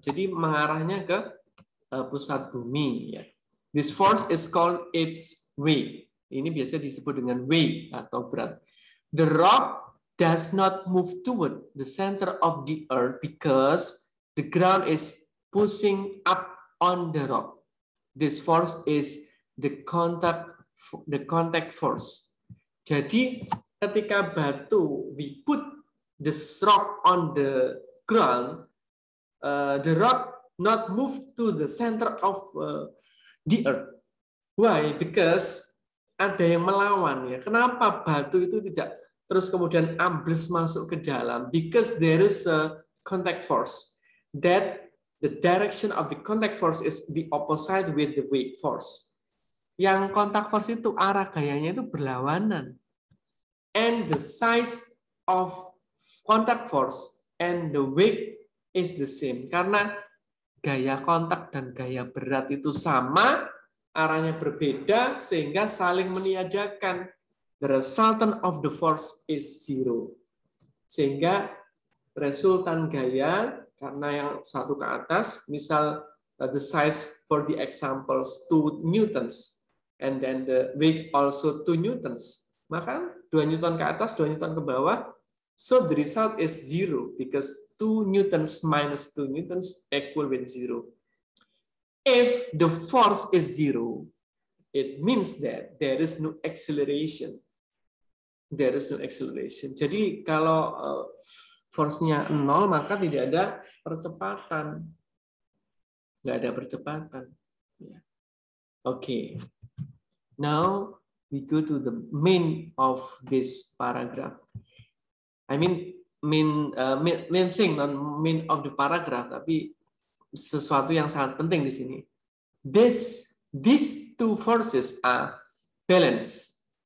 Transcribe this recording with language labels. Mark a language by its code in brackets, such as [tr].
[id] Jadi mengarahnya ke pusat bumi. Ya. [en] This force is called its weight. [id] Ini biasa disebut dengan weight atau berat. [en] The rock does not move toward the center of the earth because the ground is pushing up on the rock. This force is the contact force. [id] Jadi ketika batu, [en] we put the rock on the ground, the rock not move to the center of the earth. Why? [id] Because ada yang melawan, ya. Kenapa batu itu tidak terus kemudian ambles masuk ke dalam? [en] Because there is a contact force. That the direction of the contact force is the opposite with the weight force. [id] Yang contact force itu arah gayanya itu berlawanan. [en] And the size of contact force and the weight is the same. [id] Karena gaya kontak dan gaya berat itu sama, arahnya berbeda sehingga saling meniadakan. [en] The resultant of the force is zero. [id] Sehingga resultan gaya karena yang satu ke atas, misal [en] the size for the examples 2 newtons and then the weight also 2 newtons. [id] Maka 2 newton ke atas, 2 newton ke bawah. [en] So the result is zero because 2 newtons minus 2 newtons equal with zero. If the force is zero, it means that there is no acceleration. There is no acceleration. [id] Jadi kalau force-nya nol, maka tidak ada percepatan. Tidak ada percepatan. Yeah. Okay. [en] Now we go to the main of this paragraph. I mean main thing, not main of the paragraph, [id] tapi sesuatu yang sangat penting di sini. [en] These two forces are balanced.